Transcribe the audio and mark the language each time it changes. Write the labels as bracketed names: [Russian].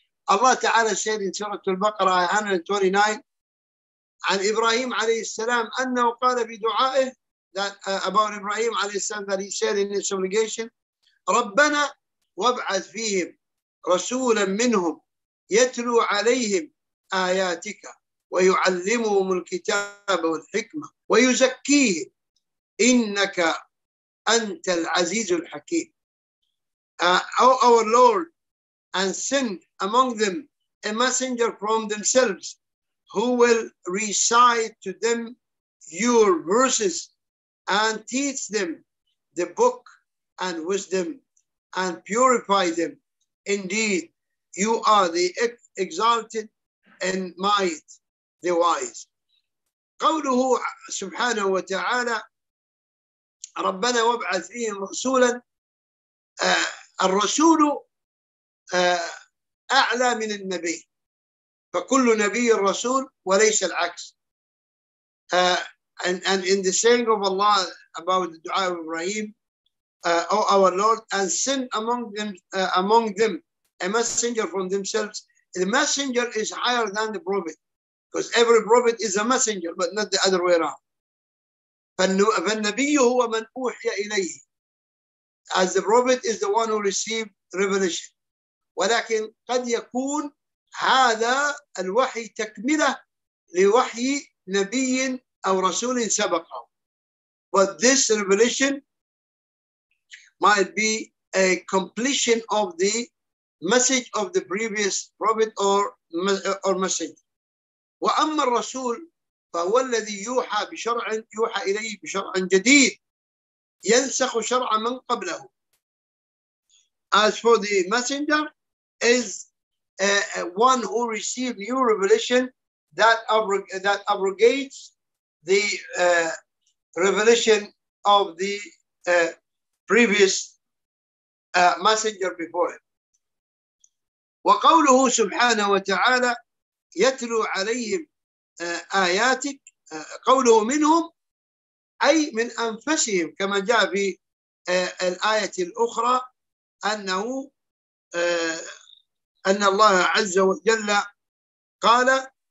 [Arabic] الله تعالى [English] said in [Arabic] سورة البقرة 129 عن إبراهيم عليه السلام أنه قال في دعائه [English] about [Arabic] إبراهيم عليه السلام [English] that he said in his obligation, [Arabic] ربنا وابعث فيهم رسولا منهم يتلو عليهم آياتك ويعلمهم الكتاب والحكمة ويزكيهم إنك أنت العزيز الحكيم. [English] Our Lord, and send among them a messenger from themselves who will recite to them your verses and teach them the book and wisdom and purify them. Indeed, you are the exalted and might, the wise. [Arabic] قوله سبحانه وتعالى ربنا وابعث فيهم رسولا. الرسول أعلى من النبي، فكل نبي رسول وليس العكس. [English] And in the saying of Allah about the dua of Ibrahim, our Lord, and send among them a messenger from themselves. The messenger is higher than the prophet, because every prophet is a messenger, but not the other way around. [Arabic] فالنبي هو من أوحي إليه. [English] As the prophet is the one who received revelation. [Arabic] ولكن قد يكون هذا الوحي تكملة لوحي نبي أو رسول سبقه. [English] But this revelation might be a completion of the message of the previous prophet or messenger. [Arabic] وأما الرسول فهو الذي يوحى بشرع يوحى إليه بشرع جديد ينسخ شرع من قبله. [English] As for the messenger is one who received new revelation that abrogates the revelation of the previous messenger before him. [Arabic] وقوله سبحانه وتعالى يتلو عليهم آياتك قوله منهم أي من أنفسهم كما جاء في الآية الأخرى أنه أن الله عز وجل قال